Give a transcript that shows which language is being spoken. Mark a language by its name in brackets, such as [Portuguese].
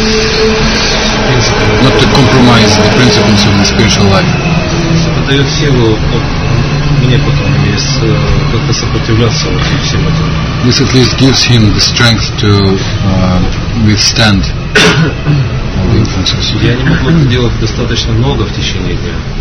[English] Not to compromise the principles of the spiritual life. [Russian] Это дает силу мне потом есть как-то сопротивляться всем этим. [English] This at least gives him the strength to withstand all the influences. [Russian] Я не могу это делать достаточно много в течение дня.